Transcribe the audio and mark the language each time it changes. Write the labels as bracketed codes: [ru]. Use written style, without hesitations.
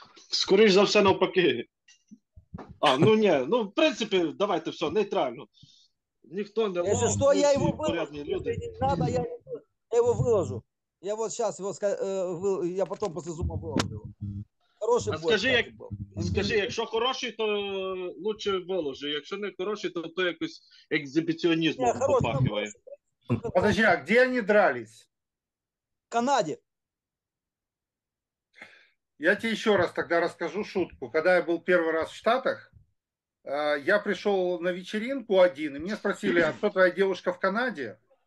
[ru] Скорее [uk] за все навпаки. А, ну не, ну в принципі, давайте все, нейтрально. Ніхто не [ru] лох. Если что, я его выложу. Не надо, я его выложу. Я вот сейчас его я потом после зума выложу. Хороший бой. [uk] Скажи, скажи, якщо хороший, [ru] то лучше выложи. [uk] Якщо не хороший, то то якось екзибіціонізмом попахиває. [ru] Подожди, а где они дрались? [uk] В Канаді. [ru] Я тебе еще раз тогда расскажу шутку. Когда я был первый раз в Штатах, я пришел на вечеринку один, и мне спросили, а кто твоя девушка в Канаде?